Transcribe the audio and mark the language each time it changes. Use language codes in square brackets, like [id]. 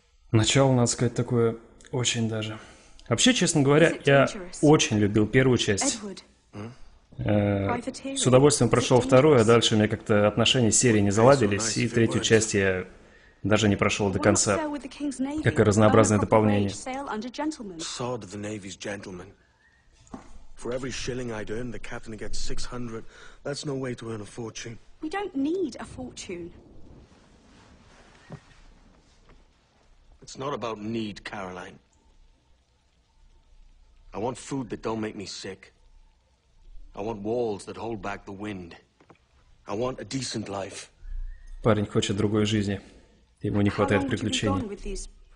[ru] Начало, надо сказать, такое очень даже. Вообще, честно говоря, я очень любил первую часть. С удовольствием прошел вторую, а дальше у меня как-то отношения с серией не заладились, и третью часть я даже не прошел до конца, как и разнообразное дополнение. [en] Sod the Navy's gentlemen. For every shilling I'd earn, the captain gets 600. That's no way to earn a fortune. We don't need a fortune. It's not about need, Caroline. I want food that don't make me sick. I want walls that hold back the wind. I want a decent life. [ru] Парень хочет другой жизни. Ему не хватает приключений.